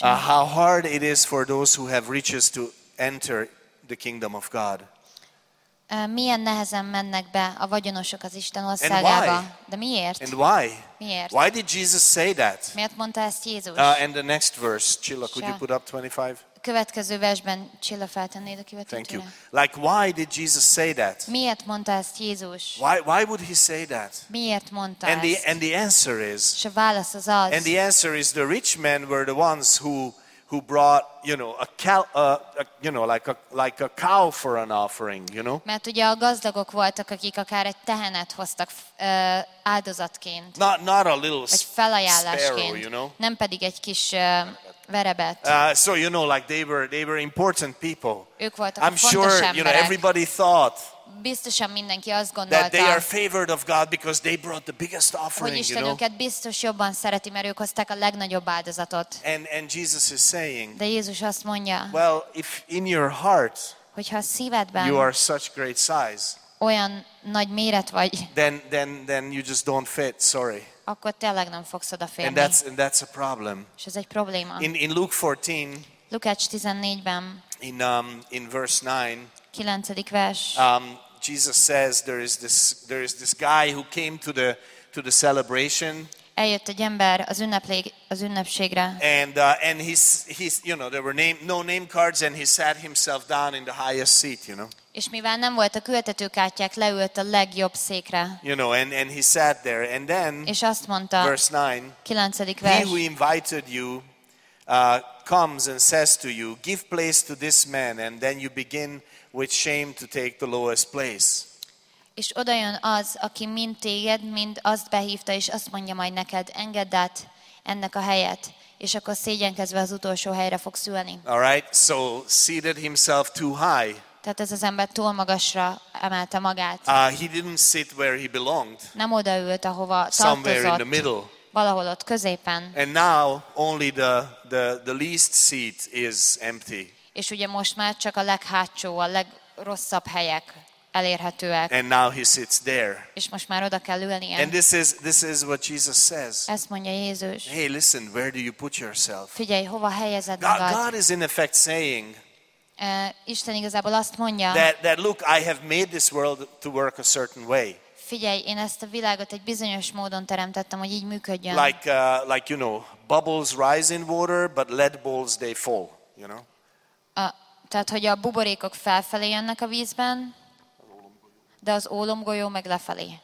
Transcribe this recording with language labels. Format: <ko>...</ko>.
<en>How hard it is for those who have riches to enter the kingdom of God.</en> <hu>Milyen nehezen mennek be a vagyonosok az Isten országába. De miért?</hu> <en>And why?</en> <hu>Miért?</hu> <en>Why did Jesus say that?</en> <hu>Miért mondta ezt Jézus?</hu> <en>And the next verse, Csilla, could you put up 25?</en> <hu>Következő versben Csilla feltennéd a követőt.</hu> <en>Thank you. Like, why did Jesus say that?</en> <hu>Miért mondta ezt Jézus?</hu> <en>Why would he say that?</en> <hu>Miért mondta</hu> <en>and</en> <hu>ezt?</hu> <en>And the answer is,</en> <hu>s a válasz az az.</hu> <en>And the answer is, the rich men were the ones who brought, you know, a cow for an offering, you know?</en> <hu>Mert ugye a gazdagok voltak, akik akár egy tehenet hoztak áldozatként.</hu> <en>Not a little</en> <hu>felajánlásként,</hu> <en>you know?</en> <hu>Nem pedig egy kis verebet.</hu> <en>So you know, like they were important people.</en> <hu>Ők voltak</hu> <en>I'm sure,</en> <hu>emberek.</hu> <en>You know, everybody thought</en> <hu>biztosan mindenki azt gondolta,</hu> <en>that they are favored of God because they brought the biggest offering,</en> <hu>hogy Isten</hu> <en>you</en> <hu>őket</hu> <en>know?</en> <hu>Biztos jobban szereti, mert ők hozták a legnagyobb áldozatot.</hu> <en>And Jesus is saying,</en> <hu>de Jézus azt mondja,</hu> <en>well, if in your heart,</en> <hu>hogyha a szívedben</hu> <en>you are such great size,</en> <hu>olyan nagy méret vagy,</hu> <en>then you just don't fit, sorry.</en> <hu>Akkor tényleg nem fogsz odaférni.</hu> <en>And that's a problem.</en> <hu>És ez egy probléma.</hu> <en>In Luke 14,</en> <hu>Lukács 14-ben,</hu> <en>in verse 9,</en> <hu>9. vers.</hu> <en>Jesus says there is this guy who came to the celebration.</en> <hu>Eljött egy ember az ünnepségre.</hu> <en>And he's you know, there were no name cards and he sat himself down in the highest seat, you know.</en> <hu>És mivel nem voltak ültetőkártyák, leült a legjobb székre.</hu> <en>You know, and he sat there and then,</en> <hu>és azt mondta,</hu> <en>verse 9,</en> <hu>9. vers.</hu> <en>He who invited you comes and says to you, give place to this man, and then you begin with shame to take the lowest place.</en> <hu>És odajön az, aki mind téged, mind azt behívta, és azt mondja majd neked, engedd át ennek a helyet, és akkor szégyenkezve az utolsó helyre fogsz ülni.</hu> <en>All right, so seated himself too high.</en> <hu>Tehát ez az ember túl magasra emelte magát.</hu> <en>He didn't sit where he belonged.</en> <hu>Nem odaült, ahova tartozott.</hu> <en>Somewhere in the middle.</en> <hu>Valahol ott középen.</hu> <en>And now only the least seat is empty.</en> <hu>És ugye most már csak a leghátsó, a legrosszabb helyek elérhetőek.</hu> <en>And now he sits there.</en> <hu>És most már oda kell ülnie.</hu> <en>And this is what Jesus says.</en> <hu>Ezt mondja Jézus.</hu> <en>Hey, listen, where do you put yourself?</en> <hu>Figyelj, hova helyezed magad?</hu> <en>God is in effect saying,</en> <hu>Isten igazából azt mondja,</hu> <en>that look, I have made this world to work a certain way.</en> <hu>Figyelj, én ezt a világot egy bizonyos módon teremtettem, hogy így működjön.</hu> <en>Like you know, bubbles rise in water, but lead balls they fall, you know?</en> <hu>Tehát, hogy a buborékok felfelé jönnek a vízben, de az ólomgolyó meg lefelé.</hu>